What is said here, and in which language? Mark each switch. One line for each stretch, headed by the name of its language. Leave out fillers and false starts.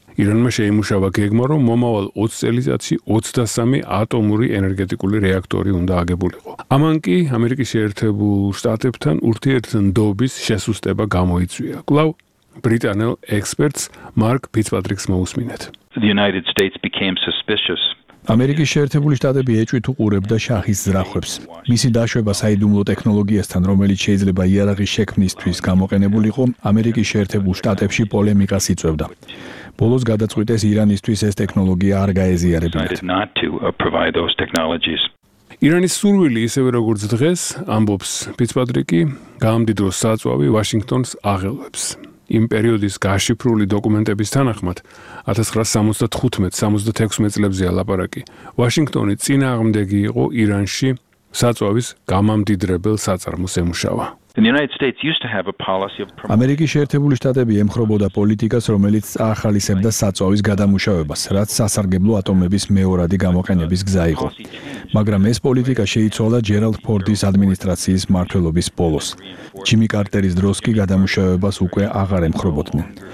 Georgian: ირანმა შეიმუშავა გეგმა, რომ მომავალ 20 წელიწადში 23 ატომური ენერგეტიკული რეაქტორი უნდა აგებულიყო. ამან კი ამერიკის შეერთებულ შტატებთან ურთიერთდობის შესუსტება გამოიწვია. კვლავ ბრიტანელ ექსპერტს მარკ ფიცპატრიკს მოუსმინეთ.
English: The United States became suspicious.
Georgian: ამერიკის შეერთებული შტატები ეჭვით უყურებდა შაჰის ზრახვებს. მისი დაშვება საიდუმლო ტექნოლოგიასთან, რომელიც შეიძლება იარაღის შექმნისთვის გამოყენებულიყო, ამერიკის შეერთებულ შტატებში პოლემიკას იწვევდა. ბოლოს გადაწყვიტეს ირანისთვის ეს ტექნოლოგია არ გაეზიარებინათ. ირანის სურვილი, ისევე როგორც დღეს, ამბობს ფიცპატრიკი, გამდიდრო საწვავი ვაშინგტონს აღელვებს. იმ პერიოდის გაშიფრული დოკუმენტების თანახმად, 1975-76 წლებზეა ლაპარაკი, ვაშინგტონი წინააღმდეგი იყო ირანში საწვავის გამამდიდრებელ საწარმოს ემუშავა.
English: The United States used to have a policy of promoting.
Georgian: ამერიკის შეერთებული შტატები ემხრობოდა პოლიტიკას, რომელიც წაახალისებდა საწვავის გადამუშავებას, რაც სასარგებლო ატომების მეორადი გამოყენების გზა იყო. მაგრამ ეს პოლიტიკა შეიცვალა ჯერალდ ფორდის ადმინისტრაციის მმართველობის ბოლოს. ჯიმი კარტერის დროს კი გადამუშავებას უკვე აღარ ემხრობოდნენ.